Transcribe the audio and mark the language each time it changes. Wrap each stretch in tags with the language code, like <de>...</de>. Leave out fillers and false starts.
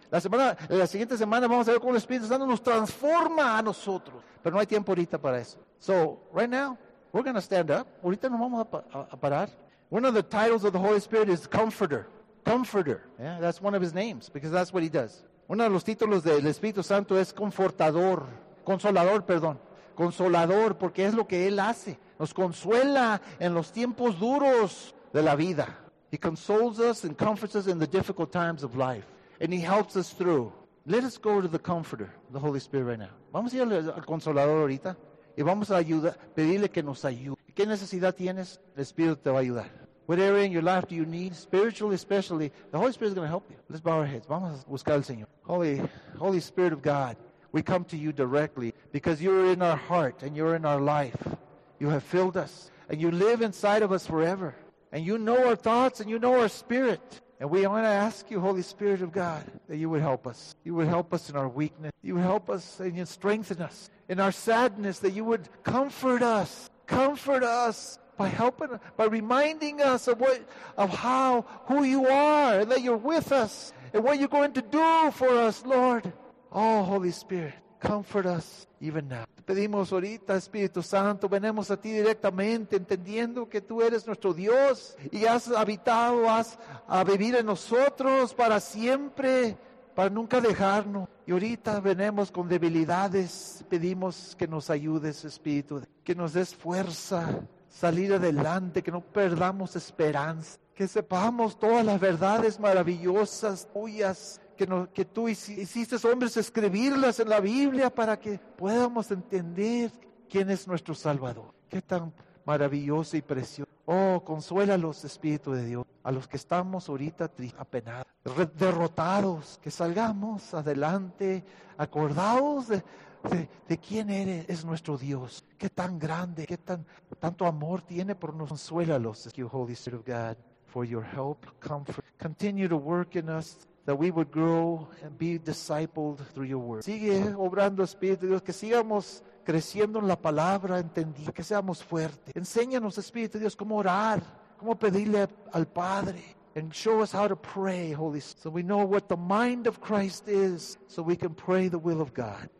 <es>La siguiente semana vamos a ver cómo el Espíritu Santo nos transforma a nosotros. Pero no hay tiempo ahorita para eso.</es> <en>So right now we're going to stand up.</en> <es>Ahorita nos vamos a parar.</es> <en>One of the titles of the Holy Spirit is Comforter. Comforter. Yeah, that's one of his names because that's what he does.</en> <es>Uno de los títulos del Espíritu Santo es Confortador. Consolador, perdón. Consolador, porque es lo que él hace. Nos consuela en los tiempos duros de la vida.</es> <en>He consoles us and comforts us in the difficult times of life. And he helps us through. Let us go to the Comforter, the Holy Spirit, right now.</en> <es>Vamos a ir al Consolador ahorita. Y vamos a ayudar, pedirle que nos ayude. ¿Qué necesidad tienes? El Espíritu te va a ayudar.</es> <en>What area in your life do you need? Spiritually, especially, the Holy Spirit is going to help you. Let's bow our heads.</en> <es>Vamos a buscar al Señor.</es> <en>Holy Spirit of God, we come to you directly because you're in our heart and you're in our life. You have filled us, and you live inside of us forever. And you know our thoughts, and you know our spirit. And we want to ask you, Holy Spirit of God, that you would help us. You would help us in our weakness. You would help us, and you strengthen us. In our sadness, that you would comfort us. Comfort us by helping, by reminding us who you are, and that you're with us, and what you're going to do for us, Lord. Oh, Holy Spirit, comfort us even now.</en> <es>Pedimos ahorita, Espíritu Santo, venemos a ti directamente, entendiendo que tú eres nuestro Dios y has habitado, has a vivir en nosotros para siempre, para nunca dejarnos. Y ahorita venemos con debilidades, pedimos que nos ayudes, Espíritu, que nos des fuerza, salir adelante, que no perdamos esperanza, que sepamos todas las verdades maravillosas tuyas, que tú hiciste hombres escribirlas en la Biblia para que podamos entender quién es nuestro Salvador. Qué tan maravilloso y precioso. Oh, consuélalos, Espíritu de Dios, a los que estamos ahorita apenados, derrotados, que salgamos adelante, acordados de quién eres, es nuestro Dios. Qué tan grande, qué tanto amor tiene por nosotros. Consuélalos,</es> <en>you, Holy Spirit of God, for your help, comfort. Continue to work in us, that we would grow and be discipled through your word.</en> <es>Sigue obrando, Espíritu de Dios, que sigamos creciendo en la palabra, entendiendo, que seamos fuertes. Enséñanos, Espíritu de Dios, cómo orar, cómo pedirle al Padre.</es> <en>And show us how to pray, Holy Spirit, so we know what the mind of Christ is, so we can pray the will of God.</en>